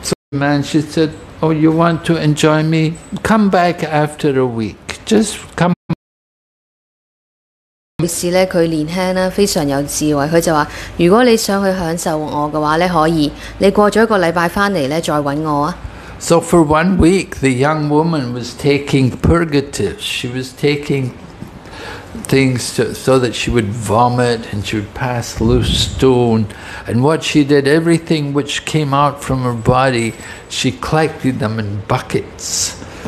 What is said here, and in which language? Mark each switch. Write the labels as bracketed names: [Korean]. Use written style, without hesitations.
[English] The man, she said, oh, you want to enjoy me? Come back after a week. Just come [Chinese] 於是他年輕非常有智慧他就說如果你想去享受我的話可以你過了一個星期回來再找我 [English] So for 1 week the young woman was taking purgatives she was taking things so that she would vomit and she would pass loose stool and what she did everything which came out from her body she collected them in buckets